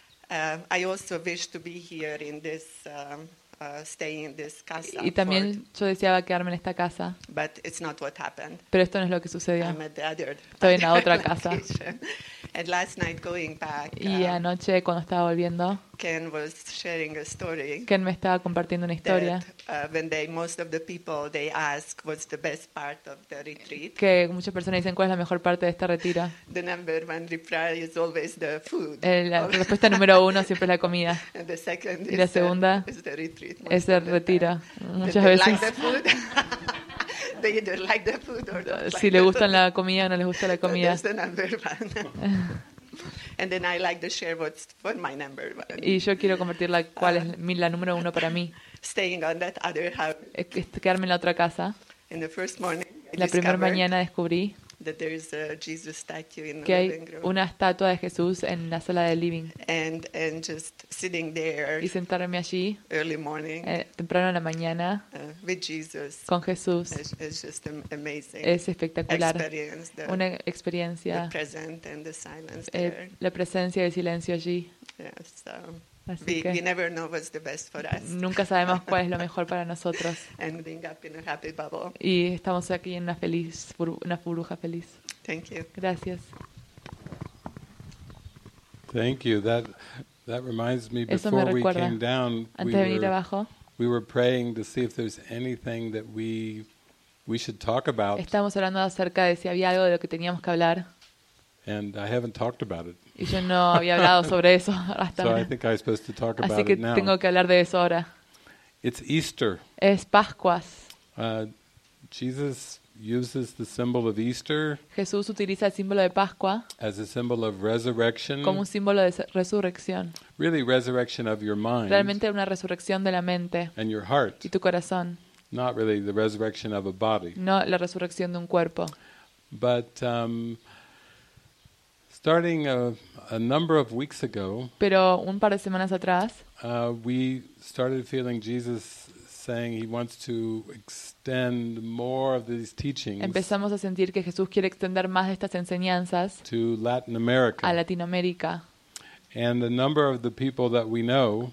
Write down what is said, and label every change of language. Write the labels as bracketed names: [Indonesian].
[English] I also wish to be here in this stay in this casa. [Spanish] Y también yo deseaba quedarme en esta casa. [English] But it's not what happened. [Spanish] Pero esto no es lo que sucedió. [English] I'm at the other, [Spanish] estoy en la otra casa. [English] And last night going back. [Spanish] Y anoche cuando estaba volviendo. [English] Ken was sharing a story. [Spanish] Ken me estaba compartiendo una historia. [English] That, when they most of the people they ask what's the best part of the retreat. [Spanish] Que muchas personas dicen cuál es la mejor parte de este retiro. [English] The number one reply is always the food. [Spanish] La respuesta número uno siempre es la comida. [English] And the second [Spanish] y la segunda [English] is the retreat. [Spanish] Es el retiro. Muchas [English] they [Spanish] veces. [English] Like the food. They either like the food or don't like [Spanish] si le gustan la comida o no les gusta la comida. [English] That's the number one. And then I like to share what's for my number one. [Spanish] Y yo quiero convertirla cuál es la número uno para mí. [English] Staying on that other house. [Spanish] Quedarme en la otra casa. [English] In the first morning, [Spanish] la primera mañana descubrí [English] that there is a Jesus statue in [Spanish] que hay [English] living room. [Spanish] Una estatua de Jesús en la sala de living. [English] And just sitting there [Spanish] y sentarme allí [English] early morning, [Spanish] temprano en la mañana [English] with Jesus, [Spanish] con Jesús [English] it's just amazing [Spanish] es espectacular [English] experience, the, [Spanish] una experiencia [English] the present and the silence there. [Spanish] La presencia y el silencio allí. [English] Yes, [Spanish] así que [English] we never know what's the best for us. [Spanish] Nunca sabemos cuál es lo mejor para nosotros. [English] Ending up in a happy bubble. [Spanish] Y estamos aquí en una burbuja feliz. [English] Thank you. [Spanish] Gracias. [English] Thank you. That reminds me. [Spanish] Eso [English] before [Spanish] me recuerda, [English] we came down, [Spanish] antes de venir abajo, [English] we were praying to see if there's anything that we should talk about. [Spanish] Estamos hablando acerca de si había algo de lo que teníamos que hablar. [English] And I haven't talked about it. [Spanish] Y yo no había hablado sobre eso hasta ahora. [English] So I think I'm supposed to talk about [Spanish] Así que [English] it now. [Spanish] Tengo que hablar de eso ahora. [English] It's Easter. [Spanish] Es Pascuas. [English] Jesus uses the symbol of Easter. [Spanish] Jesús utiliza el símbolo de Pascua. [English] As a symbol of resurrection. [Spanish] Como un símbolo de resurrección. [English] Really, resurrection of your mind. [Spanish] Realmente una resurrección de la mente. [English] And your heart. [Spanish] Y tu corazón. [English] Not really the resurrection of a body. [Spanish] No la resurrección de un cuerpo. [English] But starting a number of weeks ago, [Spanish] pero un par de semanas atrás, [English] we started feeling Jesus saying he wants to extend more of these teachings. [Spanish] Empezamos a sentir que Jesús quiere extender más de estas enseñanzas [English] to Latin America. [Spanish] A Latinoamérica. [English] And a number of the people that we know,